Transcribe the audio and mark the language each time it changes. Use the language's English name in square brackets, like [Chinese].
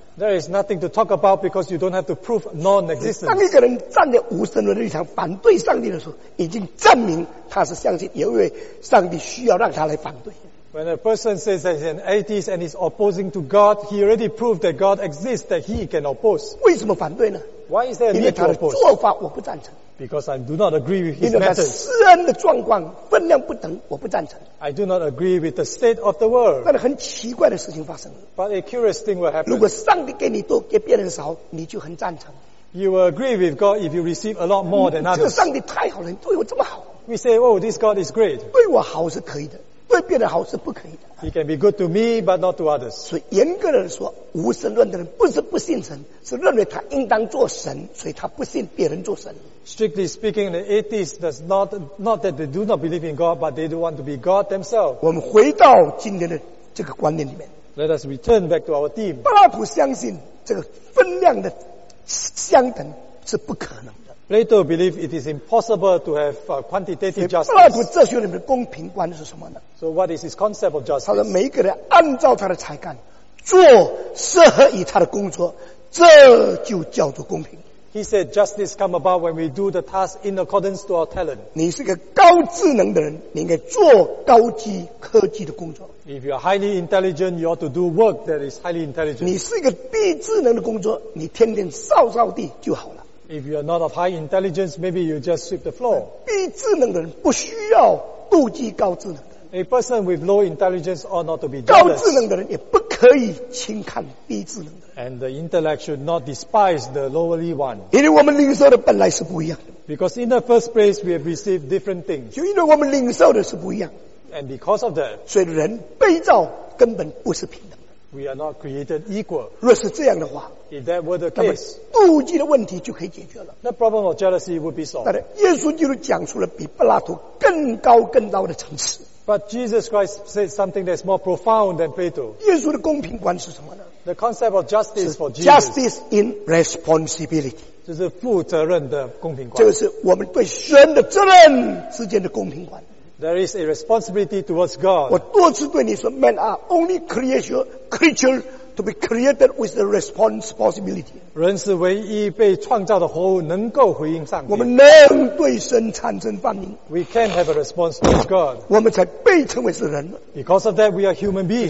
[English] There is nothing to talk about because you don't have to prove non-existence. [Chinese] 当一个人站在无神论的立场反对上帝的时候，已经证明他是相信，因为上帝需要让他来反对。 [English] When a person says that he's an atheist and is opposing to God, he already proved that God exists that he can oppose. [Chinese] 为什么反对呢 [English] ？Why is there a need to oppose? [Chinese] 因为他的做法我不赞成。 [English] Because I do not agree with his methods. [Chinese] 因为他私人的状况分量不等，我不赞成。 [English] I do not agree with the state of the world. [Chinese] 但是很奇怪的事情发生了。 [English] But a curious thing will happen. [Chinese] 如果上帝给你多，给别人少，你就很赞成。 [English] You will agree with God if you receive a lot more than others. [Chinese] 这个上帝太好了，对我这么好。 [English] We say, oh, this God is great. [Chinese] 对我好是可以的，对别人好是不可以的。 [English] He can be good to me, but not to others. [Chinese] 所以严格的说，无神论的人不是不信神，是认为他应当做神，所以他不信别人做神。 [English] Strictly speaking, the atheists does not that they do not believe in God, but they do want to be God themselves. [Chinese] 我们回到今天的这个观念里面。 [English] Let us return back to our theme. [Chinese] 柏拉图相信这个分量的相等是不可能的。 [English] Plato believes it is impossible to have quantitative justice. [Chinese] 柏拉图哲学里面的公平观是什么呢 [English] ？So what is his concept of justice? [Chinese] 他说每一个人按照他的才干做适合于他的工作，这就叫做公平。 [English] He said justice come about when we do the task in accordance to our talent. [Chinese] 你是个高智能的人，你应该做高级科技的工作。 [English] If you are highly intelligent, you ought to do work that is highly intelligent. [Chinese] 你是个低智能的工作，你天天扫扫地就好了。 [English] If you are not of high intelligence, maybe you just sweep the floor. [Chinese] 低智能的人不需要妒忌高智能的人。 [English] A person with low intelligence ought not to be jealous. [Chinese] 高智能的人也不可以轻看低智能的人。 [English] And the intellect should not despise the lowly one. [Chinese] 因为我们领受的本来是不一样的。 [English] Because in the first place we have received different things. [Chinese] 就因为我们领受的是不一样。 [English] And because of that, [Chinese] 所以人被造根本不是平等的。 [English] We are not created equal. [Chinese] 若是这样的话， [English] if that were the case, [Chinese] 那么妒忌的问题就可以解决了。 [English] The problem of jealousy would be solved. [Chinese] 但是耶稣基督讲出了比柏拉图更高更高的层次。 [English] But Jesus Christ said something that's more profound than Plato. [Chinese] 耶稣的公平观是什么呢？ [English] The concept of justice for Jesus. Justice in responsibility. [Chinese] 就是负责任的公平观。这个是我们对神的责任之间的公平观。 [English] There is a responsibility towards God. [Chinese] 我多次对你说 [English] ，Men are only creature to be created with the responsibility. [Chinese] 人是唯一被创造的活物，能够回应上帝。我们能对神产生反应。 [English] We can have a response to God. [Chinese] 我们才被称为是人。 [English] Because of that, we are human beings.